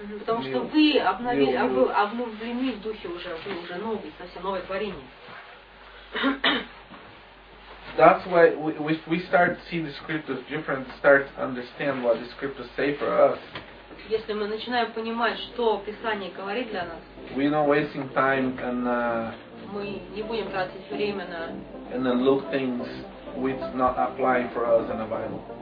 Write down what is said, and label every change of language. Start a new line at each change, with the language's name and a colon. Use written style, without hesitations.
Russian: Потому что вы обновлены в Духе уже, вы уже новый, совсем новое творение.
English: That's why we start seeing the scriptures different, start to understand what the scriptures say for us.
Russian: Если мы начинаем понимать, что Писание говорит для нас,
English: we're not wasting time and
Russian: мы не будем тратить время на
English: and then look things which not applying for us in the Bible.